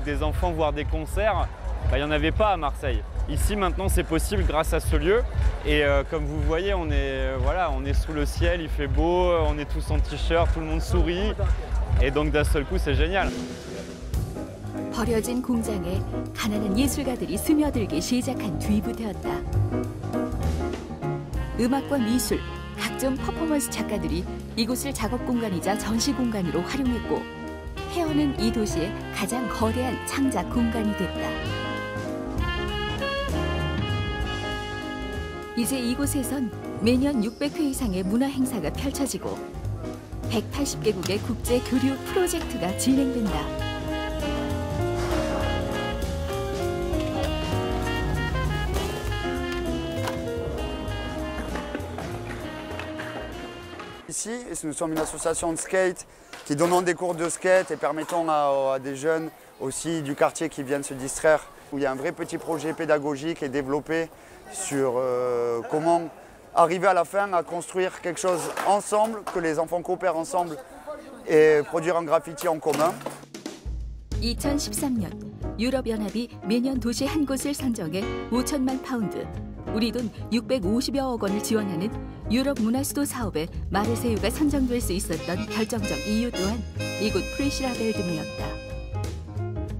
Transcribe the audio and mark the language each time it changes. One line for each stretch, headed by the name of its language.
French: Qui arrivait, qui a envahi totalement ce lieu, qui était une friche industrielle qui ressemblait à rien du tout, et d'un seul coup ce lieu a été ouvert vers les gens, vers la ville, vers tout le monde, avec des choses gratuites partout tout le temps, comme ici par exemple, où là c'est gratuit, tout le monde peut venir avec les enfants, etc. Ça n'existait pas avant. Le seul endroit où on pouvait aller avec des enfants voir des concerts, il n'y en avait pas à Marseille. Ici maintenant c'est possible grâce à ce lieu et comme vous voyez on est sous le ciel, il fait beau, on est tous en t-shirt, tout le monde sourit et donc d'un seul coup c'est génial.
Korean: 버려진 공장에 가난한 예술가들이 스며들기 시작한 뒤부터였다. 음악과 미술, 각종 퍼포먼스 작가들이 이곳을 작업 공간이자 전시 공간으로 활용했고 헤어는 이 도시의 가장 거대한 창작 공간이 됐다. 이제 이곳에선 매년 600회 이상의 문화 행사가 펼쳐지고 180개국의 국제 교류 프로젝트가 진행된다.
French: 이시, nous sommes une association de skate qui donnons des cours de skate et permettons à des jeunes aussi du quartier qui viennent se distraire où il y a un vrai petit projet pédagogique est développé. Sur comment arriver à la fin à construire quelque chose ensemble, que les enfants coopèrent ensemble et produire un graffiti en commun.
Korean: 2013년 유럽연합이 매년 도시 한 곳을 선정해 5천만 파운드, 우리 돈 650여억 원을 지원하는 유럽 문화 수도 사업에 마르세유가 선정될 수 있었던 결정적 이유 또한 이곳 프리시라벨드미였다.